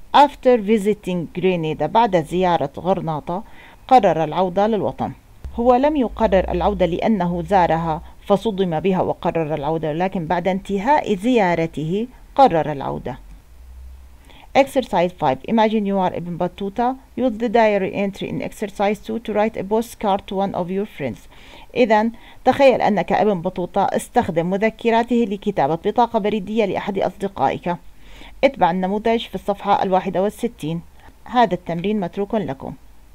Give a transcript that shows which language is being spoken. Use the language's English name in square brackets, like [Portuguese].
[English] After visiting Grenada, [Arabic] بعد زيارة غرناطة قرر العودة للوطن. هو لم يقرر العودة لأنه زارها فصدم بها وقرر العودة, لكن بعد انتهاء زيارته قرر العودة. [English] Exercise 5. Imagine you are Ibn Battuta. Use the diary entry in exercise 2 to write a postcard to one of your friends. [Arabic] إذن تخيل أنك ابن بطوطة, استخدم مذكراته لكتابة بطاقة بريدية لأحد أصدقائك. اتبع النموذج في الصفحة 61. هذا التمرين متروك لكم.